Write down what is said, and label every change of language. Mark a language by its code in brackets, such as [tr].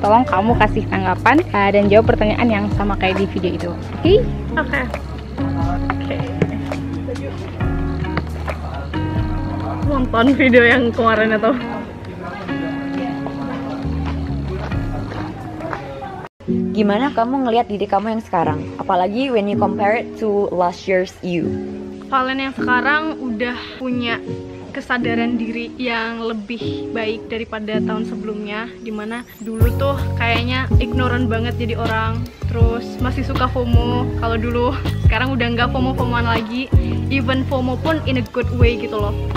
[id] Tolong kamu kasih tanggapan dan jawab pertanyaan yang sama kayak di video itu. Oke? Oke. Nonton video yang kemarin atau? Gimana kamu ngelihat diri kamu yang sekarang? Apalagi [en] when you compare it to last year's you. [id] Kalian yang sekarang udah punya kesadaran diri yang lebih baik daripada tahun sebelumnya, dimana dulu tuh kayaknya ignoran banget jadi orang, terus masih suka FOMO kalau dulu. Sekarang udah nggak FOMO-FOMOan lagi, [en] even [id] FOMO pun [en] in a good way [id] gitu loh.